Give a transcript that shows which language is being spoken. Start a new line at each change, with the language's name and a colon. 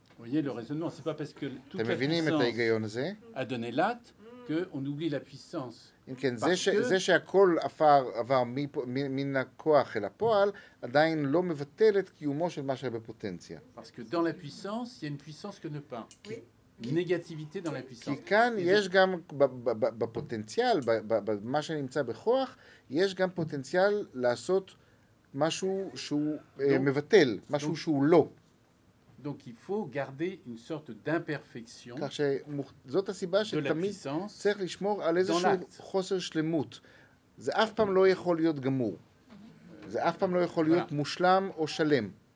French: Vous voyez le raisonnement, c'est pas parce que toute la puissance a donné l'acte qu'on oublie la puissance.
Hebrew: אם כן, זה שהכל עבר מן הכוח אל הפועל, עדיין לא מבטל את קיומו של מה שהיה בפוטנציה.
French: Parce que dans la puissance, il y a une puissance que ne pas. Négativité dans la puissance.
Hebrew: כי כאן יש גם בפוטנציאל, במה שנמצא בכוח, יש גם פוטנציאל לעשות משהו שהוא מבטל, משהו שהוא לא.
French: Donc il faut garder une sorte d'imperfection de la puissance dans l'acte. Ça ne peut pas être gamour. Ça ne peut pas être mouchlam ou chalem.